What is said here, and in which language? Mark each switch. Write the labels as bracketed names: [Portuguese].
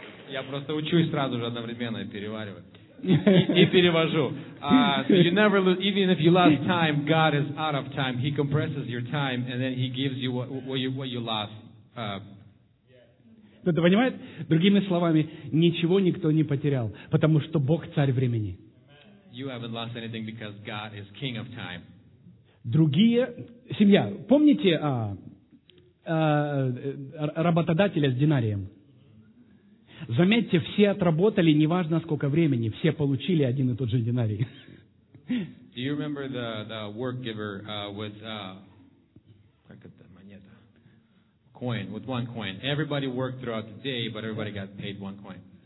[Russian] Я просто учусь сразу же одновременно переваривать. И перевожу. [English] So you never lose, even if you lost time, God is out of time. He compresses your time, and then He gives you what you lost. [Russian] Кто-то понимает? Другими словами, ничего никто не потерял, потому что Бог царь времени. [English] You haven't lost anything because God is king of time. [Russian] Другие, семья, помните работодателя с динарием? Заметьте, все отработали, неважно сколько времени, все получили один и тот же динарий. [English] Do you remember the work giver with, [Russian] как это, монета? [English] Coin, with one coin. Everybody worked throughout the day, but everybody got paid one coin.